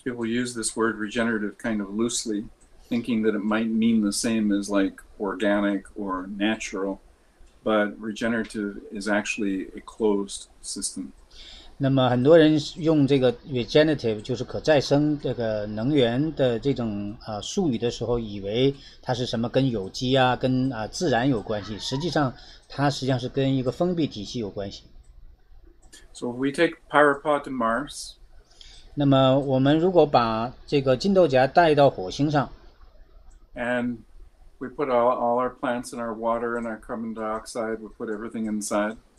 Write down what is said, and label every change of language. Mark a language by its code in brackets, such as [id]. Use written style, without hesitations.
[en] people use this word regenerative kind of loosely, thinking that it might mean the same as like organic or natural, but regenerative is actually a closed system. [zh] 那么很多人用这个 regenerative 就是可再生这个能源的这种术语的时候，以为它是什么跟有机啊、跟自然有关系，实际上它实际上是跟一个封闭体系有关系。So [en] if we take PyraPOD to Mars, [zh] 那么我们如果把这个金豆荚带到火星上，and [en] we put all our plants and our water and our carbon dioxide, we put everything inside.